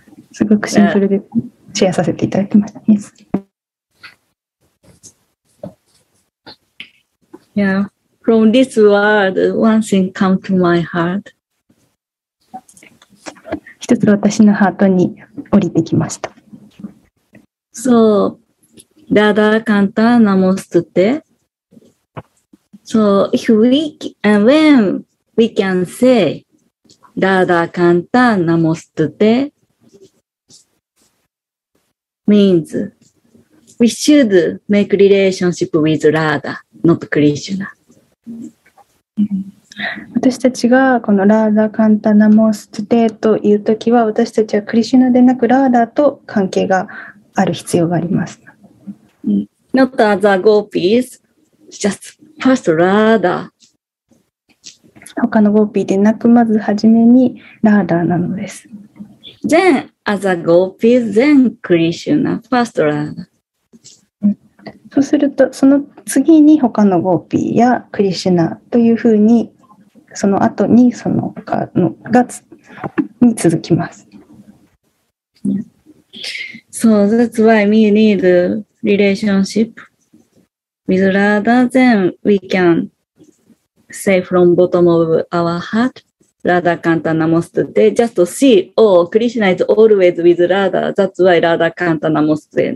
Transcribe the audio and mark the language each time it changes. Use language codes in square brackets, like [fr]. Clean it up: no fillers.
[ja] すごくシンプルでシェアさせていただきました。 [en] Yes. Yeah. From this word, one thing come to my heart. [ja] 一つ私のハートに降りてきました。 [en] So, radha kanta namostute. So, if we, when we can say radha kanta namostute, means we should make relationship with radha, not Krishna. [ja] 私たちがこのラーダカンタナモステテというときは、私たちはクリシュナでなくラーダと関係がある必要があります。 [en] Not as a gopis, just first radha. [ja] 他のゴーピーでなく、まずはじめにラーダなのです。 [en] Then as a gopis, then Krishna, first radha. [ja] そうすると、その次に他のゴーピーやクリシュナというふうに、その後にそのかのがつに続きます。 [en] So that's why we need relationship with Radha. Then we can say from bottom of our heart, Radha Kanta Namostute. Just see, oh, Krishna is always with Radha. That's why Radha Kanta Namostute.